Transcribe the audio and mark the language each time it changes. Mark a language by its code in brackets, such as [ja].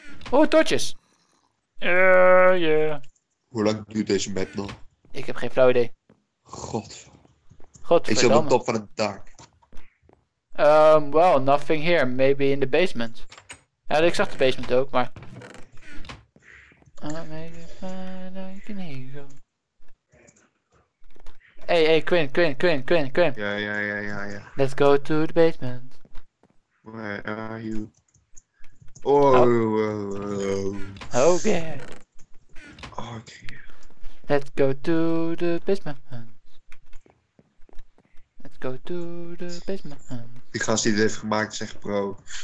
[en] Oh, torches. [nl] Hoe lang duurt deze map nog? Ik heb geen flauw idee. Ik zit op de top van het dak. [en] Well, nothing here. Maybe in the basement. [nl] Ja, ik zag de basement ook, maar... [en] I'll make it fine, I can hear you. Hey, Quinn. [nl] Ja. [en] Let's go to the basement. Where are you? Oh. Okay. Let's go to the basement. Let's go to the basement. [nl] Die gast die dit heeft gemaakt is echt pro.